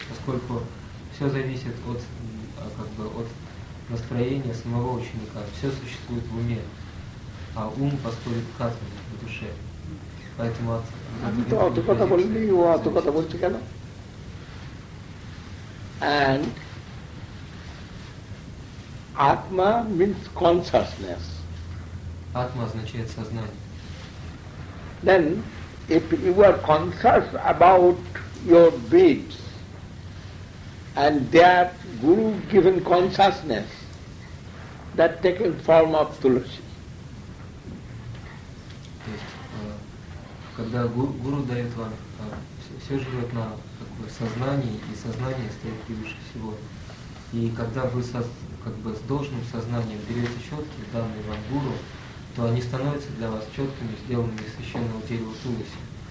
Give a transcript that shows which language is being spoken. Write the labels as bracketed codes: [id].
[ru] Поскольку все зависит от, как бы, от настроения самого ученика, все существует в уме, а ум подходит к атме, в душе. Поэтому от [en] And Atma means consciousness. [ru] Atma означает сознание. [en] Then, if you are conscious about your deeds, and that Guru given consciousness, that taken form of tulasi. [ru] То есть, когда Гуру дает вам, все живет на сознание, и сознание стоит превыше всего. И когда вы как бы с должным сознанием берете четки, данные вам гуру, то они становятся для вас четкими, сделанными из священного дерева туласи.